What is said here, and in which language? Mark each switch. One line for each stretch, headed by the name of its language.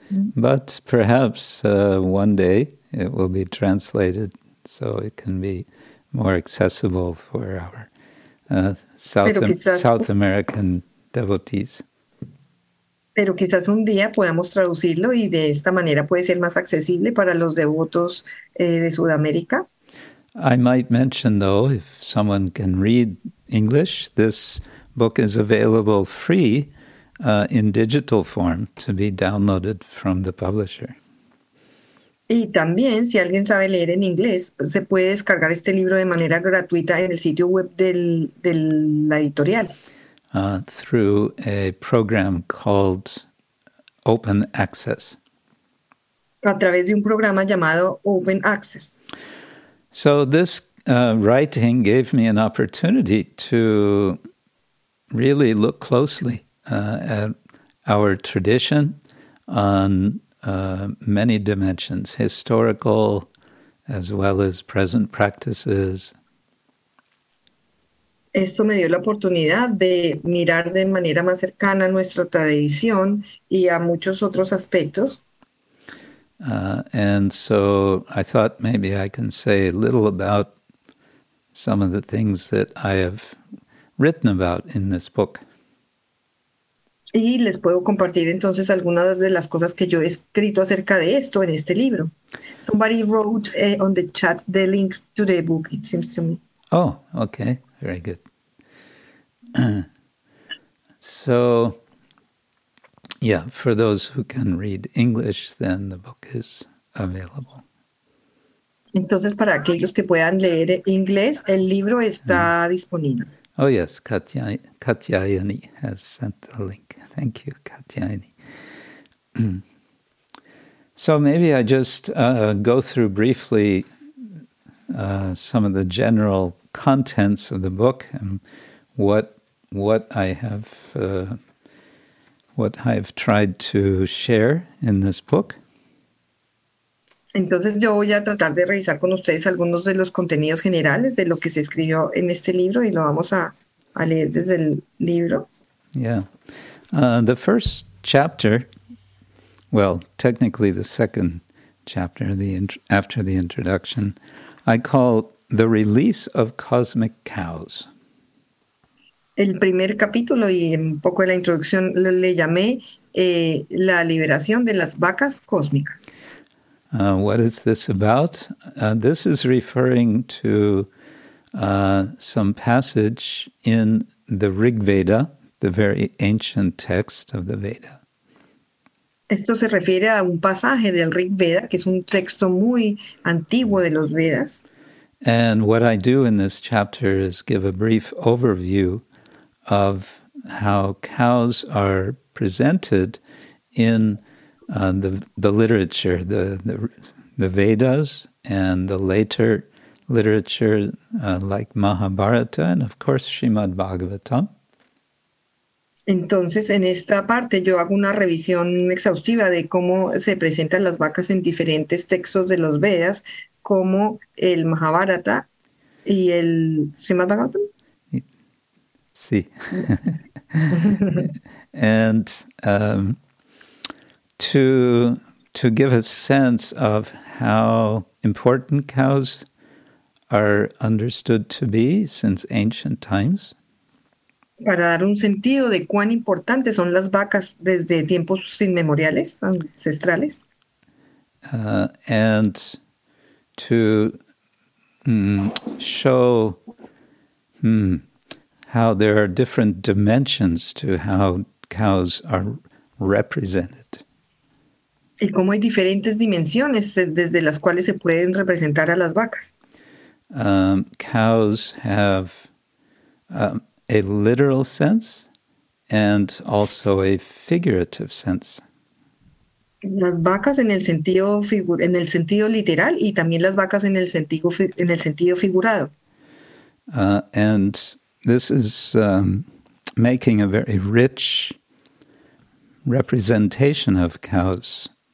English: But perhaps one day it will be translated so it can be more accessible for our South American devotees.
Spanish: Pero quizás un día podamos traducirlo y de esta manera puede ser más accesible para los devotos de Sudamérica.
English: I might mention, though, if someone can read English, this book is available free in digital form to be downloaded from the publisher.
Spanish: Y también, si alguien sabe leer en inglés, se puede descargar este libro de manera gratuita en el sitio web del la editorial.
English: Through a program called Open Access.
Spanish: A través de un programa llamado Open Access.
English: So this writing gave me an opportunity to really look closely at our tradition on many dimensions, historical as well as present practices.
Spanish: Esto me dio la oportunidad de mirar de manera más cercana nuestra tradición y a muchos otros aspectos.
English: And so I thought maybe I can say a little about some of the things that I have written about in this book.
Spanish: Y les puedo compartir entonces algunas de las cosas que yo he escrito acerca de esto en este libro.
English: Somebody wrote on the chat the link to the book, it seems to me. Oh, okay. Very good. So, yeah, for those who can read English, then the book is available.
Spanish: Entonces, para aquellos que puedan leer inglés, el libro está disponible.
English: Oh, yes, Katyayani has sent the link. Thank you, Katyayani. So maybe I just go through briefly some of the general contents of the book and what I have what I've tried to share in this book.
Spanish: Entonces yo voy a tratar de revisar con ustedes algunos de los contenidos generales de lo que se escribió en este libro y lo vamos a leer desde el libro.
English: Yeah. The first chapter, well, technically the second chapter, after the introduction, I call The Release of Cosmic Cows.
Spanish: El primer capítulo y un poco de la introducción le llamé La Liberación de las Vacas Cósmicas.
English: What is this about? This is referring to some passage in the Rig Veda, the very ancient text of the Veda.
Spanish: Esto se refiere a un pasaje del Rig Veda, que es un texto muy antiguo de los Vedas.
English: And what I do in this chapter is give a brief overview of how cows are presented in the literature, the Vedas, and the later literature like Mahabharata and, of course, Srimad Bhagavatam.
Spanish: Entonces, en esta parte yo hago una revisión exhaustiva de cómo se presentan las vacas en diferentes textos de los Vedas, como el Mahabharata y el Srimad Bhagavatam. Sí.
English: And to give a sense of how important cows are understood to be since ancient times.
Spanish: Para dar un sentido de cuán importantes son las vacas desde tiempos inmemoriales, ancestrales.
English: And to show how there are different dimensions to how cows are represented.
Spanish: Y cómo hay diferentes dimensiones desde las cuales se pueden representar a las vacas.
English: Cows have a literal sense and also a figurative sense.
Spanish: Las vacas en el sentido literal y también las vacas en el sentido figurado.
English: And this is making a very rich representation of cows.